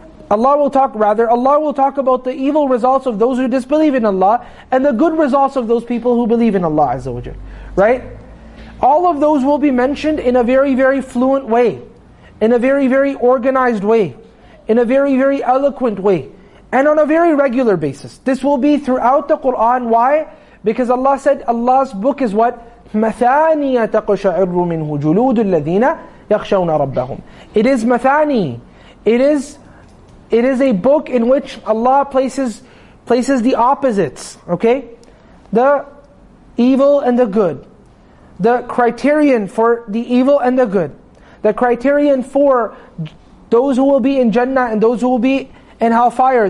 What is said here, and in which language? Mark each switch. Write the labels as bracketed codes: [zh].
[en] Allah will talk about the evil results of those who disbelieve in Allah, and the good results of those people who believe in Allah Azza wa Jalla. Right? All of those will be mentioned in a very, very fluent way. In a very, very organized way. In a very, very eloquent way. And on a very regular basis. This will be throughout the Qur'an. Why? Because Allah said Allah's book is what? [ar] مثاني تقشعر منه جلود الذين يخشون ربهم. [en] It is مثاني. It is a book in which Allah places the opposites. Okay, the evil and the good. The criterion for the evil and the good. The criterion for those who will be in Jannah and those who will be in hellfire.